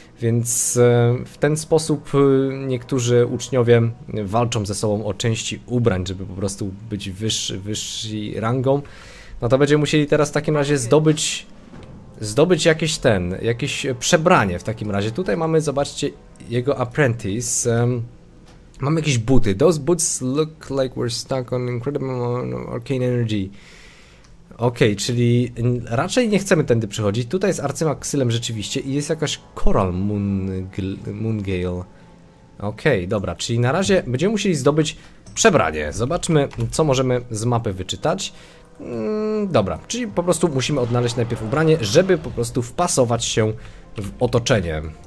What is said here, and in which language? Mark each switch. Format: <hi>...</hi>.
<pl>Więc w ten sposób niektórzy uczniowie walczą ze sobą o części ubrań, żeby po prostu być wyższy rangą. No to będziemy musieli teraz w takim razie zdobyć jakieś przebranie w takim razie. Tutaj mamy, zobaczcie, jego apprentice. Mamy jakieś buty.</pl> <en>Those boots look like we're stuck on incredible arcane energy.</en> <pl>Okej, czyli raczej nie chcemy tędy przychodzić. Tutaj jest arcymag Ksylem rzeczywiście i jest jakaś coral moongale. Okej, dobra, czyli na razie będziemy musieli zdobyć przebranie. Zobaczmy, co możemy z mapy wyczytać. Dobra, czyli po prostu musimy odnaleźć najpierw ubranie, żeby po prostu wpasować się w otoczenie.</pl>